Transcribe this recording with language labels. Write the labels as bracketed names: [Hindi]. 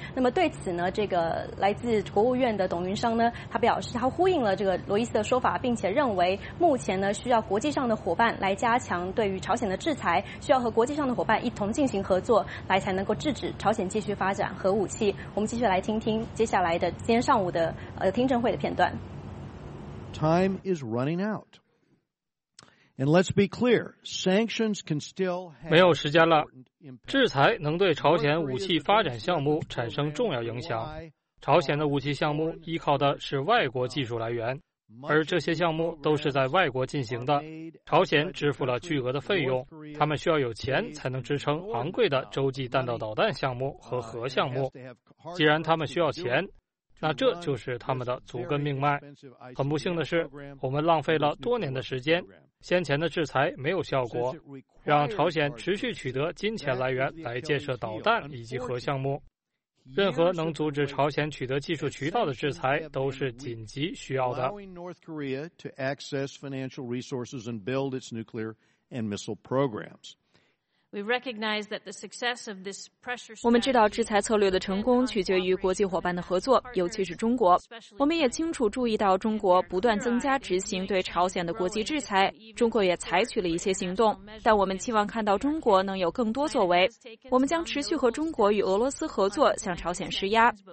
[Chinese] 那么对此呢，这个来自国务院的董云商呢，他表示他呼应了这个罗伊斯的说法，并且认为目前呢，需要国际上的伙伴来加强对于朝鲜的制裁，需要和国际上的伙伴一同进行合作，作，来才能够制止朝鲜继续发展核武器。我们继续来听听接下来的今天上午的听证会的片段。 [English] Time is running out. And let's be clear, sanctions can still have [Chinese] 没有时间了。制裁能对朝鲜武器发展项目产生重要影响。朝鲜的武器项目依靠的是外国技术来源，而这些项目都是在外国进行的。朝鲜支付了巨额的费用，他们需要有钱才能支撑昂贵的洲际弹道导弹项目和核项目。既然他们需要钱，那这就是他们的足跟命脉。很不幸的是，我们浪费了多年的时间，先前的制裁没有效果，让朝鲜持续取得金钱来源来建设导弹以及核项目。任何能阻止朝鲜取得技术渠道的制裁都是紧急需要的。 [English] Allowing North Korea to access financial resources and build its nuclear and missile programs. We recognize that the success of this pressure. [Chinese] 我们知道制裁策略的成功取决于国际伙伴的合作，尤其是中国。我们也清楚注意到中国不断增加执行对朝鲜的国际制裁，中国也采取了一些行动，但我们期望看到中国能有更多作为。我们将持续和中国与俄罗斯合作，向朝鲜施压。